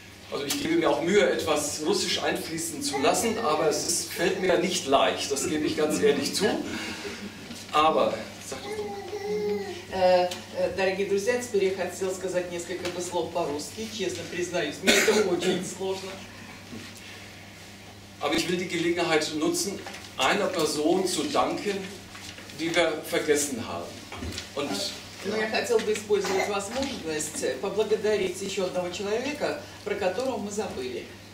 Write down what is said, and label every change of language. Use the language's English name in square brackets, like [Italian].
[German] Also ich gebe mir auch Mühe, etwas Russisch einfließen zu lassen, aber es fällt mir nicht leicht, das gebe ich ganz ehrlich zu. Aber, sag doch, [Russian] Дорогие друзья, теперь я хотел сказать несколько бы слов по-русски, честно признаюсь, мне это очень сложно. [German] Aber ich will die Gelegenheit nutzen, einer Person zu danken, die wir vergessen haben. Und, [Russian] Но я хотел бы использовать возможность поблагодарить еще одного человека, про которого мы забыли.